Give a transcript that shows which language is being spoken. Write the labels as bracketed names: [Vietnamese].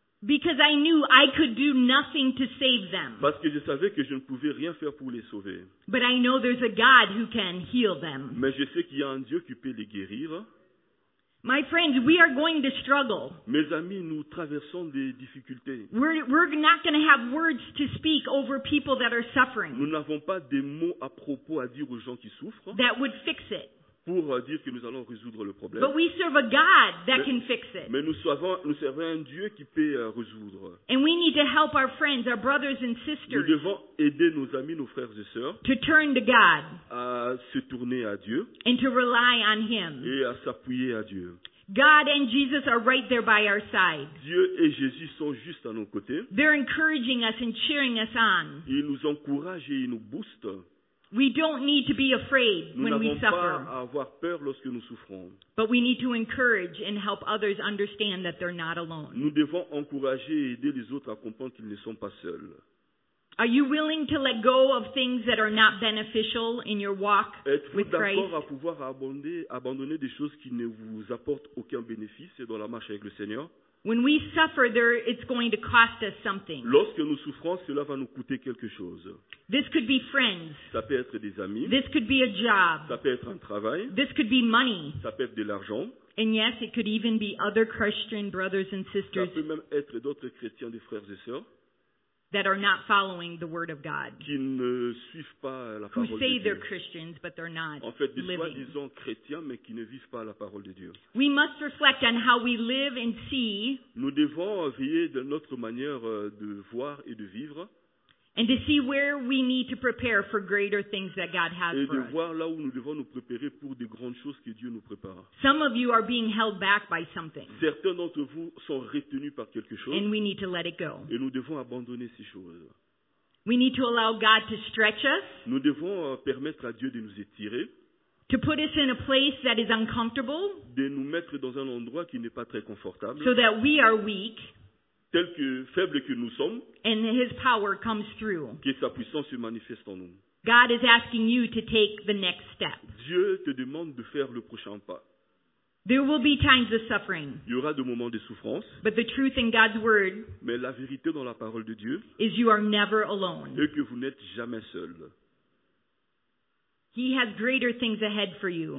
[English] Because I knew I could do nothing to save them. [French] Parce que je savais que je ne pouvais rien faire pour les sauver. [English] But I know there's a God who can heal them. [French] Mais je sais qu'il y a un Dieu qui peut les guérir. [English] My friends, we are going to struggle. [French] Mes amis, nous traversons des difficultés. [English] We're not going to have words to speak over people that are suffering. [French] Nous n'avons pas des mots à propos à dire aux gens qui souffrent. [English] That would fix it. [French] Pour dire que nous allons résoudre le problème. [English] But we serve a God that can fix it. [French] Mais nous servons un Dieu qui peut résoudre. [English] And we need to help our friends, our brothers and sisters. [French] Nous devons aider nos amis, nos frères et sœurs. [English] To turn to God. [French] À se tourner à Dieu. [English] And to rely on Him. [French] Et à s'appuyer à Dieu. [English] God and Jesus are right there by our side. [French] Dieu et Jésus sont juste à nos côtés. [English] They're encouraging us and cheering us on. [French] Ils nous encouragent et ils nous boostent. [English] We don't need to be afraid when we suffer. [French] Nous n'avons pas à avoir peur lorsque nous souffrons. [English] But we need to encourage and help others understand that they're not alone. [French] Nous devons encourager et aider les autres à comprendre qu'ils ne sont pas seuls. [English] Are you willing to let go of things that are not beneficial in your walk with Christ? [French] Êtes-vous d'accord à pouvoir abandonner des choses qui ne vous apportent aucun bénéfice dans la marche avec le Seigneur? [English] When we suffer, it's going to cost us something. [French] Lorsque nous souffrons, cela va nous coûter quelque chose. [English] This could be friends. [French] Ça peut être des amis. [English] This could be a job. [French] Ça peut être un travail. [English] This could be money. [French] Ça peut être de l'argent. [English] And yes, it could even be other Christian brothers and sisters. [French] Ça peut même être d'autres chrétiens, des frères et sœurs. [English] That are not following the word of God. [French] Qui ne suivent pas la parole [English] who say [French] Dieu. [English] They're Christians, but they're not [French] en fait, [English] living. [French] Soit, disons, chrétiens, mais qui ne vivent pas la parole de Dieu. [English] We must reflect on how we live and see. [French] Nous devons veiller de notre manière de voir et de vivre. [English] And to see where we need to prepare for greater things that God has for us. [French] Et de voir là où nous devons nous préparer pour des grandes choses que Dieu nous prépare. [English] Some of you are being held back by something. [French] Certains d'entre vous sont retenus par quelque chose. [English] And we need to let it go. [French] Et nous devons abandonner ces choses. [English] We need to allow God to stretch us. [French] Nous devons permettre à Dieu de nous étirer. [English] To put us in a place that is uncomfortable. [French] De nous mettre dans un endroit qui n'est pas très confortable. [English] So that we are weak. [French] Tel que faible que nous sommes, [English] and his power comes through. [French] Que sa puissance se manifeste en nous. [English] God is asking you to take the next step. [French] Dieu te demande de faire le prochain pas. [English] There will be times of suffering. [French] Il y aura des moments de souffrance. [English] But the truth in God's word, [French] mais la vérité dans la parole de Dieu, [English] is you are never alone. [French] Et que vous n'êtes jamais seul. [English] He has greater things ahead for you.